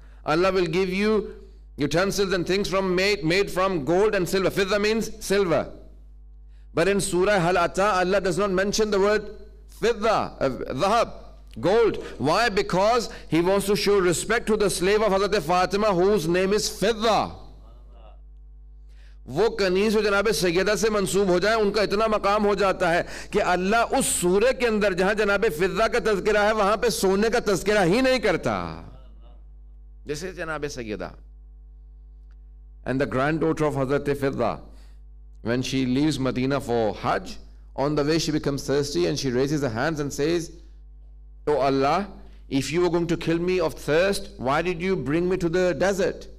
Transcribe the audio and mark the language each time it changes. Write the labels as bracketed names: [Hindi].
[English] Allah will give you utensils and things from made from gold and silver. Fidda means silver. But in Surah Al-Ata, Allah does not mention the word fidda, dhahab, gold. Why? Because He wants to show respect to the slave of Hazrat Fatima, whose name is Fidda. [Urdu] وہ کنیز جو جناب سیدہ سے منسوب ہو جائے, ان کا اتنا مقام ہو جاتا ہے کہ اللہ اس سورے کے اندر جہاں جناب فضہ کا تذکرہ ہے وہاں پہ سونے کا تذکرہ ہی نہیں کرتا. [English] This is جناب سیدہ. And the granddaughter of حضرت Fizza, when she leaves Medina for Hajj, on the way she becomes thirsty and she raises her hands and says, oh Allah, if you were going to kill me of thirst, why did you bring me to the desert?